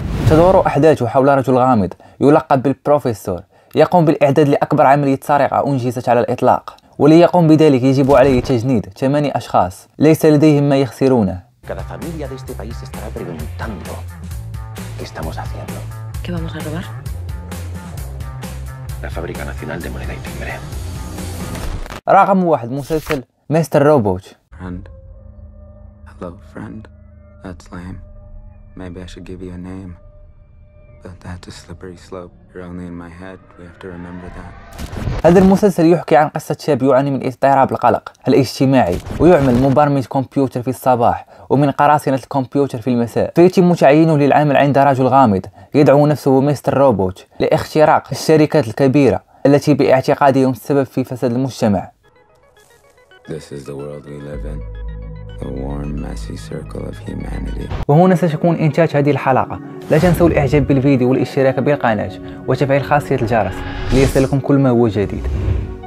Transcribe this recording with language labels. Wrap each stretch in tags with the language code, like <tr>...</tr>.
<ar>تدور أحداثه حول رجل غامض يلقب بالبروفيسور، يقوم بالإعداد لأكبر عملية سرقة أنجزت على الإطلاق، وليقوم بذلك يجب عليه تجنيد 8 أشخاص ليس لديهم ما يخسرونه.</ar> <es>Cada familia de este país estará preguntando qué estamos haciendo. ¿Qué vamos a robar? La fábrica nacional de moneda y timbre.</es> <ar>رقم 1، مسلسل مستر روبوت.</ar> <en>Hello friend. That's lame. Maybe I should give you a name. But that's a slippery slope. You're only in my head. We have to remember that.</en> <ar>هذا المسلسل يحكي عن قصة شاب يعاني من اضطراب القلق الاجتماعي، ويعمل مبرمج كمبيوتر في الصباح ومن قراصنة الكمبيوتر في المساء. فيتم تعيينه للعمل عند رجل غامض يدعو نفسه مستر روبوت لاختراق الشركات الكبيرة التي باعتقادهم السبب في فساد المجتمع.</ar> <en>This is the world we live in. The warm, messy circle of humanity.</en> <ar>وهنا ستكون إنتاج هذه الحلقة. لا تنسوا الإعجاب بالفيديو والاشتراك بالقناة وتفعيل خاصية الجرس ليصلكم كل ما هو جديد.</ar>